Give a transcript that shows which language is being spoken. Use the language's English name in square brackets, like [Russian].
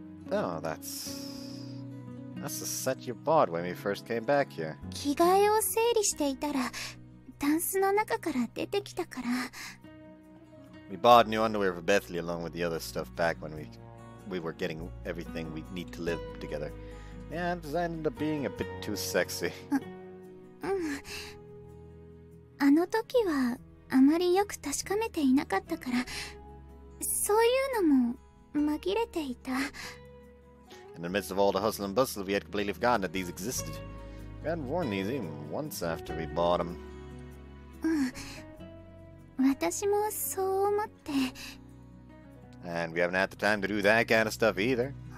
[English] Oh, that's the set you bought when we first came back here. [Japanese] 着替えを整理していたら、タンスの中から出てきたから。 [English] We bought new underwear for Bethly along with the other stuff back when we were getting everything we need to live together. Yeah, it just ended up being a bit too sexy. [Japanese] あの時はあまりよく確かめていなかったから、そういうのも紛れていた。 [English] In the midst of all the hustle and bustle, we had completely forgotten that these existed. We hadn't worn these even once after we bought them. [Japanese] 私もそう思って。 [English] And we haven't had the time to do that kind of stuff either.